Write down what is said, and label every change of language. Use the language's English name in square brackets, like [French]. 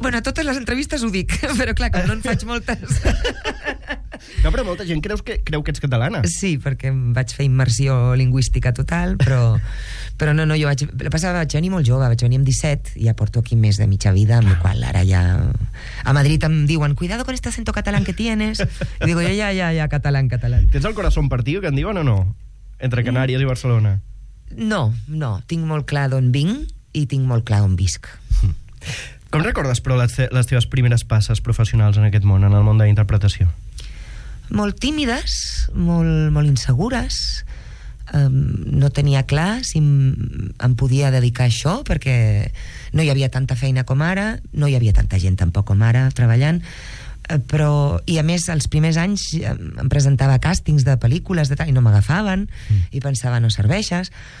[Catalan] Bueno, a totes les entrevistes ho dic, però clar, com no en faig moltes... No, però molta gent creu que ets catalana. Sí, perquè vaig fer immersió lingüística total, però no, jo vaig... La passada vaig venir molt jove, vaig venir amb 17, i ja porto aquí més de mitja vida, amb la qual ara ja... A Madrid em diuen, [Spanish] cuidado con este acento catalán que tienes. [Catalan] I digo, ja, catalán. Tens el corazón partido, que en diuen, o no? Entre Canàries i Barcelona. No, tinc molt clar d'on vinc i tinc molt clar on visc. Com recordes, però, les teves primeres passes professionals en aquest món, en el món de la interpretació? Molt tímides, molt insegures. No tenia clar si em podia dedicar a això, perquè no hi havia tanta feina com ara, no hi havia tanta gent tampoc com ara treballant, però, i a més, els primers anys em presentava càstings de pel·lícules de tal, i no m'agafaven, i pensava, no serveixes.